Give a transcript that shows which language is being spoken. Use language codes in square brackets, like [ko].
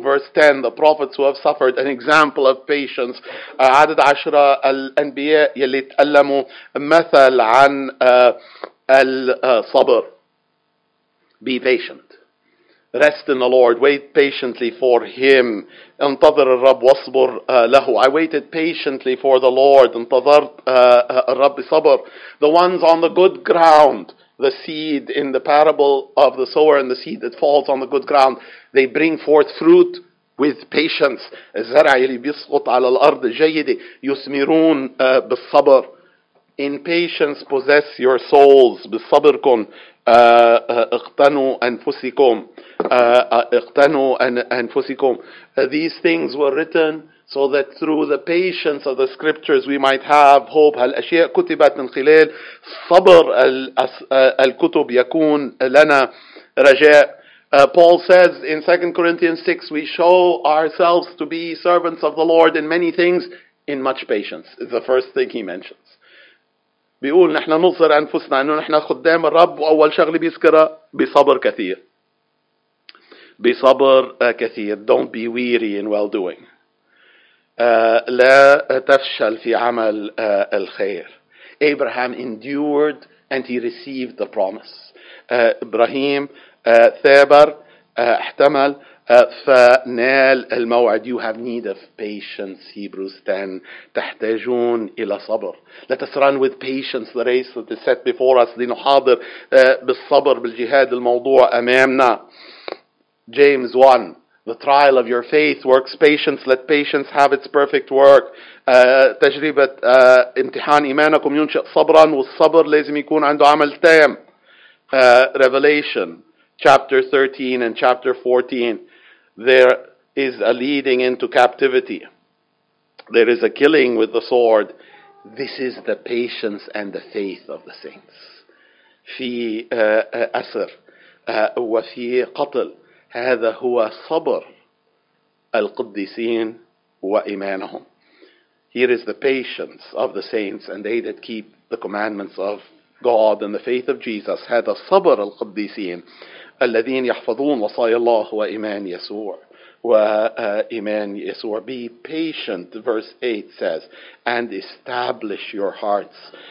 [en] Verse 10, the prophets who have suffered an example of patience. [ar] عدد 10 الانبياء يلي تألموا مثل عن الصبر. [en] Be patient, rest in the Lord, wait patiently for him. [ar] انتظر الرب واصبر له. [en] I waited patiently for the Lord. [ar] انتظرت الرب صبر. [en] The ones on the good ground, the seed in the parable of the sower and the seed that falls on the good ground, they bring forth fruit with patience. [ar] الزرع اللي بيسقط على الأرض جيدة يثمرون بالصبر. [en] In patience possess your souls. [ar] بصبركم اقتنوا أنفسكم. اقتنوا أنفسكم. [en] These things were written so that through the patience of the scriptures we might have hope. [ar] هالأشياء كتبت من خلال صبر الكتب يكون لنا رجاء. [en] Paul says in 2 Corinthians 6, we show ourselves to be servants of the Lord in many things in much patience. It's the first thing he mentions. [ar] بيقول نحن نظهر أنفسنا أنه نحن خدام الرب, وأول شغل بيذكره بصبر كثير. بصبر كثير. [en] Don't be weary in well-doing. [ar] لا تفشل في عمل الخير. [en] Abraham endured and he received the promise. [ar] إبراهيم ثابر احتمل فنال الموعد. [en] You have need of patience, Hebrews 10. [ar] تحتاجون إلى صبر. [en] Let us run with patience the race that is set before us. [ar] لنحاضر بالصبر بالجهاد الموضوع أمامنا. [en] James 1. The trial of your faith works patience. Let patience have its perfect work. [ar] تجربة امتحان إيمانكم ينشئ صبرا, والصبر لازم يكون عنده عمل تام. [en] Revelation chapter 13 and chapter 14. There is a leading into captivity. There is a killing with the sword. This is the patience and the faith of the saints. [ar] في أسر وفي قتل. هذا هو صبر القديسين وإيمانهم. [en] Here is the patience of the saints and they that keep the commandments of God and the faith of Jesus. [ar] هذا صبر القديسين الذين يحفظون وصايا الله وإيمان يسوع. وإيمان يسوع. [en] Be patient, verse 8 says, and establish your hearts.